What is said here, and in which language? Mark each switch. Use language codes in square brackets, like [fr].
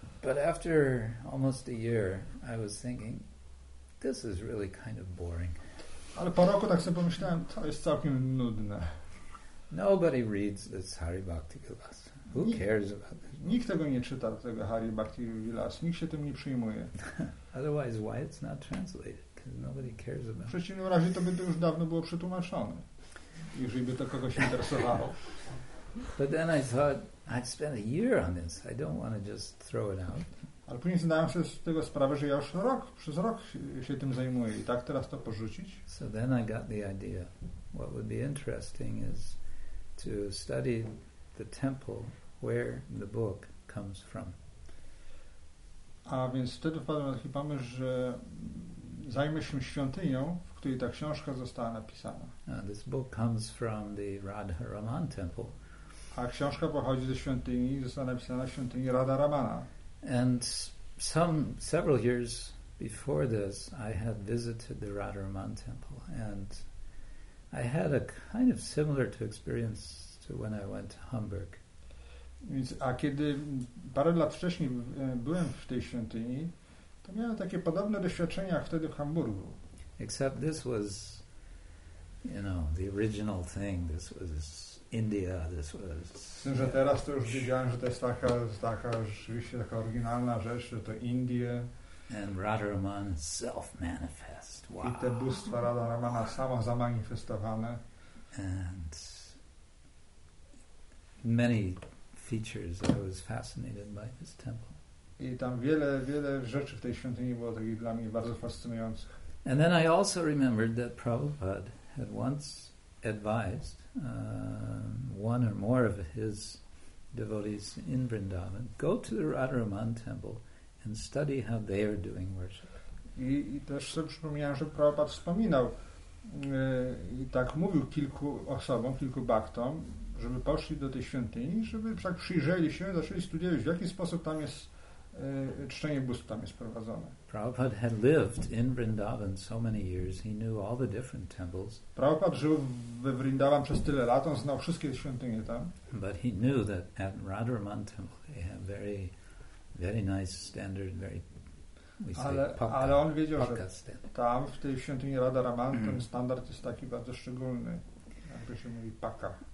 [en] But after almost a year, I was thinking, this is really kind of boring. [pl] Ale po roku tak sobie pomyślałem, to jest całkiem nudne. [en] Nobody reads this Hari Bhakti Vilas. Who cares about this? [pl] Nikt tego nie czyta, tego Hari Bhakti Vilas. Nikt się tym nie przyjmuje. [en] Otherwise, why it's not translated? Because nobody cares about it. [pl] W przeciwnym razie to by to już dawno było przetłumaczone. Jeżeli by to kogoś interesowało. [en] But then I thought, I'd spent a year on this. I don't want to just throw it out. [pl] Ale później zdałem sobie z tego sprawę, że ja już rok, przez rok się tym zajmuję. I tak teraz to porzucić? [en] So then I got the idea. What would be interesting is to study the temple where the book comes from. [pl] A więc wtedy wpadłem na taki pomysł, że zajmę się świątynią, w której ta książka została napisana. [en] This book comes from the Radharaman temple. [pl] A książka pochodzi ze świątyni, została napisana w świątyni Radharamana. [en] And several years before this, I had visited the Radharaman temple, and I had a kind of similar to experience to when I went to Hamburg. [pl] Więc, a kiedy parę lat wcześniej byłem w tej świątyni, to miałem takie podobne doświadczenia jak wtedy w Hamburgu. [en] Except this was, you know, the original thing. This was India, this was... [pl] Tym, że teraz to już wiedziałem, że to jest taka rzeczywiście taka oryginalna rzecz, że to Indie. [en] And Radharaman self-manifest. Wow. [pl] I te bóstwa Radharamana samo zamanifestowane. [en] And many features I was fascinated by this temple. [pl] I tam wiele rzeczy w tej świątyni było takich dla mnie bardzo fascynujących. [en] And then I also remembered that Prabhupada had once advised one or more of his devotees in Vrindavan, go to the Radharaman temple and study how they are doing worship. [pl] I też sobie przypomniałem, że Prabhupada wspominał i tak mówił kilku osobom, kilku bhaktom, żeby poszli do tej świątyni, żeby tak przyjrzeli się, zaczęli studiować, w jaki sposób tam jest czczenie bóstw tam jest prowadzone. [en] Prabhupada had lived in Vrindavan so many years, he knew all the different temples. [pl] Prabhupada żył we Vrindavan przez tyle lat, on znał wszystkie świątynie tam. [en] But he knew that at Radharaman temple they have very, very nice standard, very, we say, [pl] ale on wiedział, że tam w tej świątyni Radharaman ten standard jest taki bardzo szczególny, jakby się mówi paka.